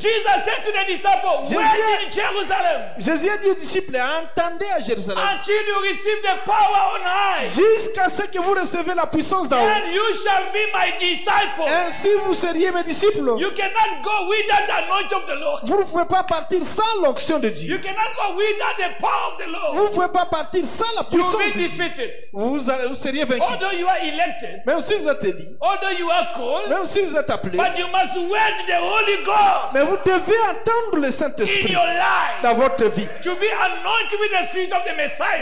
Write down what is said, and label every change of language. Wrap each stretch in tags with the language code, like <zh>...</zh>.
<en>Jesus said to the disciples, wait in Jerusalem.</en> <fr>Jésus a dit aux disciples, attendez à Jérusalem.</fr> <en>Until you receive the power on high.</en> <fr>Jusqu'à ce que vous recevez la puissance d'en haut.</fr> <en>Then you shall be my disciple.</en> <fr>Ainsi vous seriez mes disciples.</fr> <en>You cannot go without the anointing of the Lord.</en> <fr>Vous ne pouvez pas partir sans l'onction de Dieu.</fr> <en>You cannot go without the power of the Lord.</en> <fr>Vous ne pouvez pas partir sans la puissance de Dieu.</fr> <en>defeated.</en> <fr>Vous seriez vaincu.</fr> <en>Although you are elected,</en> <fr>même si vous êtes élu.</fr> <en>Although you are called,</en> <fr>même si vous êtes appelé.</fr> <en>But you must wait the Holy Ghost.</en> <fr>Mais vous devez entendre le Saint-Esprit</fr> <en>in your life,</en> <fr>dans votre vie.</fr> <en>To be anointed with the Spirit of the Messiah.</en>